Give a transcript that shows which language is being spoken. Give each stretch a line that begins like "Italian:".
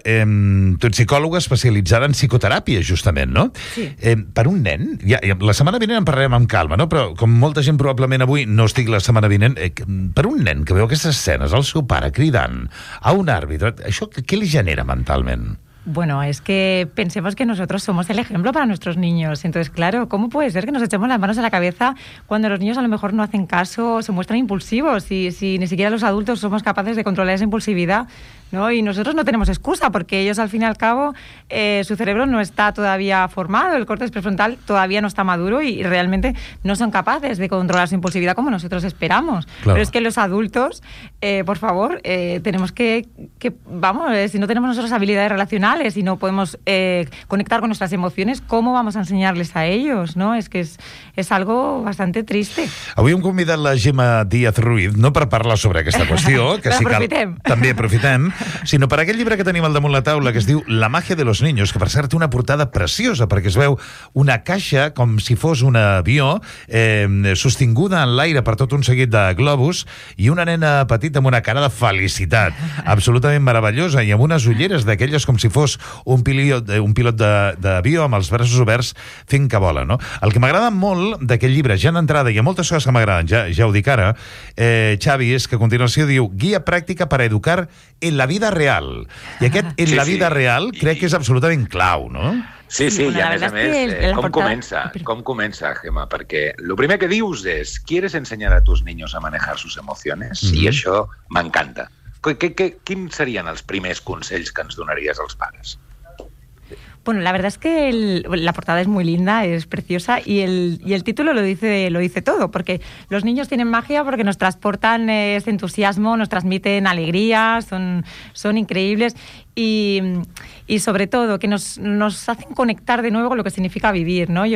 Catalan: Tu ets psicòloga especialitzada en psicoteràpia, justament, no? Sí. Per un nen? Ja, la setmana vinent en parlarem amb calma, no? Però com molta gent probablement avui no estic la setmana vinent, per un nen que veu aquestes escenes, el seu pare cridant a un àrbitre, això què li genera mentalment?
Spanish: Bueno, es que pensemos que nosotros somos el ejemplo para nuestros niños. Entonces, claro, ¿cómo puede ser que nos echemos las manos a la cabeza cuando los niños a lo mejor no hacen caso o se muestran impulsivos? Y si ni siquiera los adultos somos capaces de controlar esa impulsividad, ¿no? Y nosotros no tenemos excusa, porque ellos, al fin y al cabo, su cerebro no está todavía formado, el córtex prefrontal todavía no está maduro y realmente no son capaces de controlar su impulsividad como nosotros esperamos. Claro. Pero es que los adultos, por favor, tenemos que vamos, si no tenemos nosotros habilidades relacionales y no podemos conectar con nuestras emociones, ¿cómo vamos a enseñarles a ellos, ¿no? Es que es algo bastante triste.
Catalan: Avui hem convidat la Gemma Díaz Ruiz, no per parlar sobre aquesta qüestió, que sí que també aprofitem, sinó per aquest llibre que tenim al damunt la taula que es diu La màgia de los niños, que per cert té una portada preciosa perquè es veu una caixa com si fos un avió sostinguda en l'aire per tot un seguit de globus i una nena petita amb una cara de felicitat absolutament meravellosa i amb unes ulleres d'aquelles com si fos un pilot d'avió amb els braços oberts fent que vola, no? El que m'agrada molt d'aquest llibre, ja en entrada, hi ha moltes coses que m'agraden, ja ho dic ara, Xavi, és que a continuació diu Guia pràctica per educar en la vida real. I aquest en la vida real crec que és absolutament clau, no? Sí, sí, i a més a més, com comença, Gemma? Perquè el primer que dius és
Spanish: ¿quieres enseñar a tus niños a manejar sus emociones?
Catalan: Mm-hmm. I això m'encanta. Quins serien els primers consells que ens donaries als pares?
Spanish: Bueno, la verdad es que la portada es muy linda, es preciosa y el título lo dice todo, porque los niños tienen magia porque nos transportan ese entusiasmo, nos transmiten alegría, son increíbles y sobre todo que nos hacen conectar de nuevo con lo que significa vivir, ¿no?